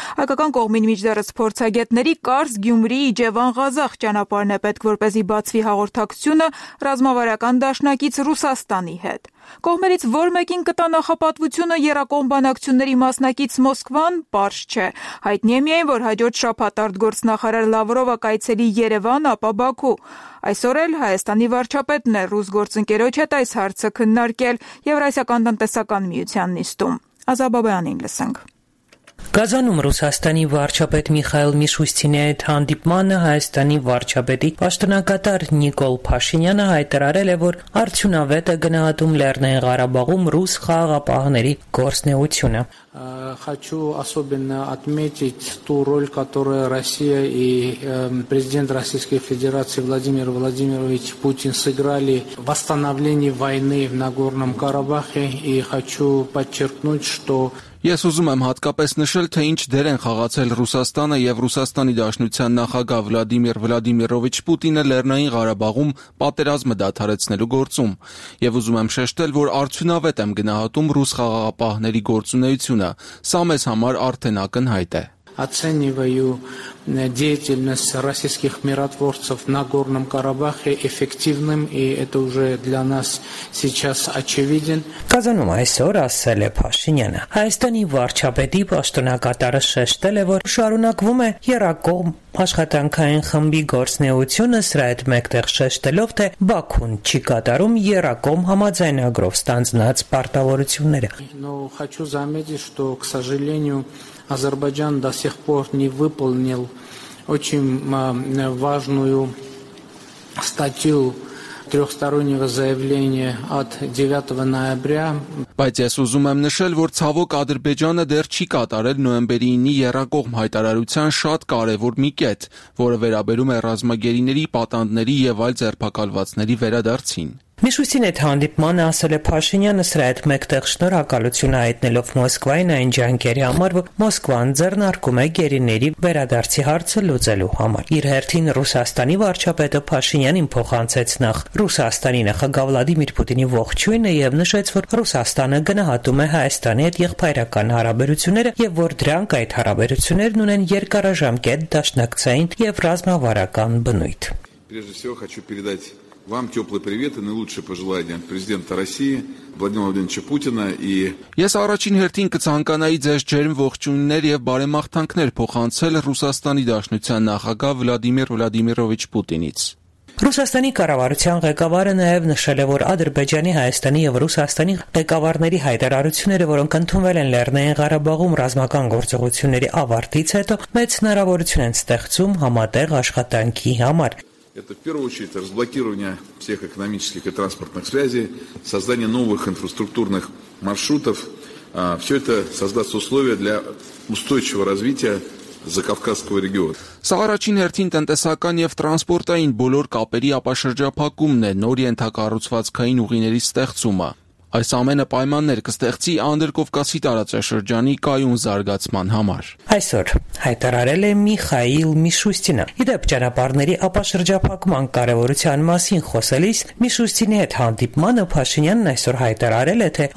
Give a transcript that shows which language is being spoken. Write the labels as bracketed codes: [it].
[hy] Հայկական կողմին միջդեռ փորձագետների կարծ Գյումրի Իջևան Ղազախ ճանապարհն է պետք, որպես բացվի հաղորդակցությունը ռազմավարական դաշնակից Ռուսաստանի հետ։ Կողմերից որ մեկին կտա նախապատվությունը երակոմ բանակցությունների մասնակից Մոսկվան, պարզ չէ։ Հայտնի է միայն, որ հաջորդ շաբաթ արտգործնախարար Լավրովը կայցելի Երևան, ապա Բաքու։ Այսօր էլ Հայաստանի վարչապետն է ռուս գործընկերոջ հետ այս հարցը քննարկել Եվրասիական տնտեսական միության նիստում։ Ազաբաբյանին լսենք։ Գազանում Ռուսաստանի վարչապետ Միխայել Միշուստինի հետ հանդիպմանը Հայաստանի վարչապետի պաշտոնակատար Նիկոլ Փաշինյանը հայտարարել է, որ արդյունավետ է գնահատում Լեռնային Ղարաբաղում ռուս խաղաղապահների գործնեությունը։ [ru] Хочу особенно отметить ту роль, которую Россия и президент Российской Федерации Владимир Владимирович Путин сыграли в восстановлении войны в Нагорном Карабахе, и хочу подчеркнуть, что [hy] Ես ուզում եմ հատկապես նշել, թե ինչ դեր են խաղացել Ռուսաստանը եւ Ռուսաստանի Դաշնության նախագահ Վլադիմիր Վլադիմիրովիչ Պուտինը Լեռնային Ղարաբաղում պատերազմը դադարեցնելու գործում։ Եվ ուզում եմ շեշտել, որ արդյունավետ եմ գնահատում ռուս խաղաղապահների գործունեությունը։ Սա մեզ համար արդեն ակնհայտ է։ [ru] Оцениваю деятельность российских миротворцев в Нагорном Карабахе эффективным, и это уже для нас сейчас очевиден. [hy] Казанում այսօր ասել է Փաշինյանը. Հայաստանի վարչապետի պաշտոնակատարը շեշտել է, որ շարունակվում է երակողմ աշխատանքային խմբի գործնեությունը, սրա հետ մեկտեղ շեշտելով, թե Բաքուն չի կատարում երակոմ համաձայնագրով ստանձնած պարտավորությունները։ [ru] Но хочу заметить, что, к сожалению, Азербайджан до сих пор не выполнил очень важную статью трехстороннего заявления от 9 ноября. [hy] Բայց ես ուզում եմ նշել, որ ցավոք Ադրբեջանը դեռ չի կատարել նոյեմբերի 9-ի երակողմ հայտարարության շատ կարևոր մի կետ, որը վերաբերում է ռազմագերիների, պատանդների եւ այլ ձերբակալվածների վերադարձին։ Միշուսին այդ հանդիպմանը ասել է Փաշինյանը սրայդ մեկտեղ շնորհակալություն հայտնելով Մոսկվային այն ջանքերի համար, որ Մոսկվան ձեռնարկում է գերիների վերադարձի հարցը լուծելու համար։ Իր հերթին Ռուսաստանի վարչապետը Փաշինյանին փոխանցեց նախ Ռուսաստանի նախագահ Վլադիմիր Պուտինի ողջույնը և նշեց, որ Ռուսաստանը գնահատում է Հայաստանի հետ եղբայրական հարաբերությունները և որ դրանք այդ հարաբերություններն ունեն երկարաժամկետ դաշնակցային և ռազմավարական բնույթ։ [ru] Вам теплый привет и наилучшие пожелания от президента России Владимира Владимировича Путина и [hy] Ես առաջին հերթին կցանկանայի ձեզ ջերմ ողջույններ եւ բարեմաղթանքներ փոխանցել Ռուսաստանի Դաշնության նախագահ Վլադիմիր Վլադիմիրովիչ Պուտինից։ Ռուսաստանի կառավարության ղեկավարը նաև նշել է, որ Ադրբեջանի, Հայաստանի և Ռուսաստանի ղեկավարների հայտարարությունները, որոնք ընդունվել են Լեռնային Ղարաբաղում ռազմական գործողությունների ավարտից հետո, մեծ հնարավորություն են ստեղծում համատեղ աշխատանքի համար։ [ru] Это в первую очередь разблокирование всех экономических и транспортных связей, создание новых инфраструктурных маршрутов. Все это создаст условия для устойчивого развития Закавказского региона. [hy] Սաղարաչին հերթին տնտեսական և տրանսպորտային բոլոր կապերի ապաշրջապակումն է նոր ենթակառուցվածքային ուղիների ստեղծումը։ Այս ամենը պայմաններ կստեղծի Անդրկովկասի տարածաշրջանի կայուն զարգացման համար։ Այսօր հայտարարել է Միխայիլ Միշուստինը։ Իդեպ ճանապարհների ապաշրջապակման կարևորության մասին խոսելիս Միշուստինի հետ հանդիպմանը Փաշինյանն այսօր հայտարարել է, թե